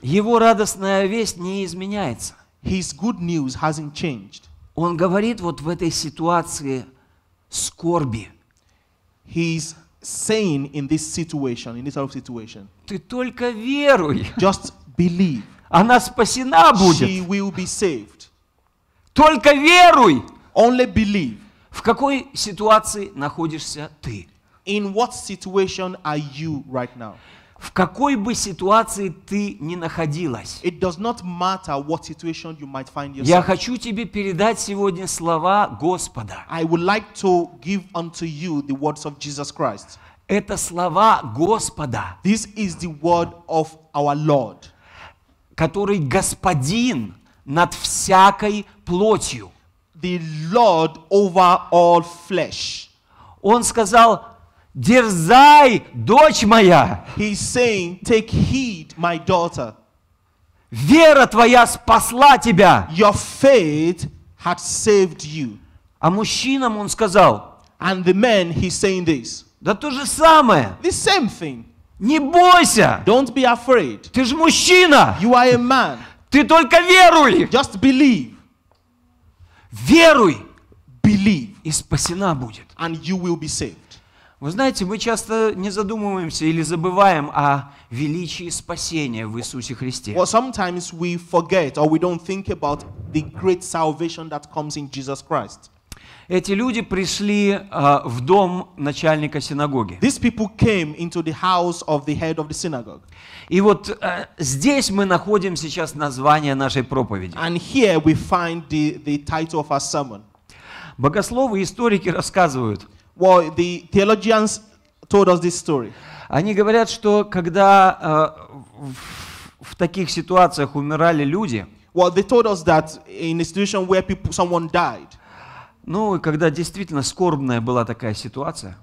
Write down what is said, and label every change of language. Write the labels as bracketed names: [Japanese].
[Russian] Его радостная весть не изменяется. [English] His good news hasn't changed. [Russian] Он говорит вот в этой ситуации скорби. [English] He's saying in this situation, in this sort of situation. [Russian] Ты только веруй. [English] Just believe. [Russian] Она спасена будет. [English] She will be saved. [Russian] Только веруй. [English] Only believe. [Russian] В какой ситуации находишься ты? [English] In what situation are you right now? [Russian] В какой бы ситуации ты ни находилась. [English] It does not matter what situation you might find yourself. [Russian] Я хочу тебе передать сегодня слова Господа. [English] I would like to give unto you the words of Jesus Christ. [Russian] Это слова Господа. [English] This is the word of our Lord. [Russian] Который Господин над всякой плотью. [English] The Lord over all flesh. [Russian] Он сказал: дерзай, дочь моя. [English] He's saying, take heed, my daughter. [Russian] Вера твоя спасла тебя. [English] Your faith has saved you. [Russian] А мужчинам он сказал. [English] And the men, he's saying this. [Russian] Да то же самое. [English] The same thing. [Russian] Не бойся. [English] Don't be afraid. [Russian] Ты же мужчина. [English] You are a man. [Russian] Ты только веруй. [English] Just believe. [Russian] Веруй. [English] Believe. [Russian] И спасена будет. [English] And you will be saved. [Russian] Вы знаете, мы часто не задумываемся или забываем о величии спасения в Иисусе Христе. [English] Well, sometimes we forget or we don't think about the great salvation that comes in Jesus Christ. [Russian] Эти люди пришли в дом начальника синагоги. [English] These people came into the house of the head of the synagogue. [Russian] И вот здесь мы находим сейчас название нашей проповеди. [English] And here we find the title of our sermon. [Russian] Богословы и историки рассказывают. [English] Well, the theologians told us this story. [Russian] Они говорят, что когда в таких ситуациях умирали люди. [English] Well, they told us that in a situation where someone died. [Russian] Ну, и когда действительно скорбная была такая ситуация,